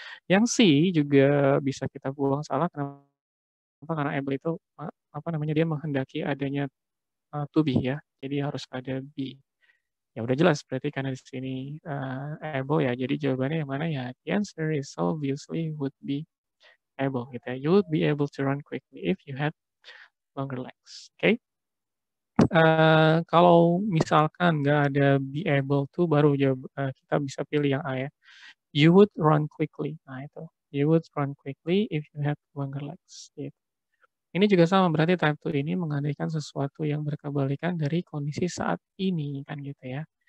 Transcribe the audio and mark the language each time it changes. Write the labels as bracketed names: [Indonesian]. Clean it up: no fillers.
[Indonesian] Yang C juga bisa kita buang salah, kenapa? Karena able itu apa namanya dia menghendaki adanya to be ya, jadi harus ada be. Ya udah jelas berarti karena di sini able ya, jadi jawabannya yang mana ya? [English] The answer is obviously would be able, gitu ya. You would be able to run quickly if you had longer legs. Okay? [Indonesian] Kalau misalkan nggak ada be able to, baru jawab, kita bisa pilih yang A ya. [English] You would run quickly. Nah itu. You would run quickly if you had longer legs. [Indonesian] Gitu. Ini juga sama, berarti type 2 ini mengandaikan sesuatu yang berkebalikan dari kondisi saat ini, kan gitu ya.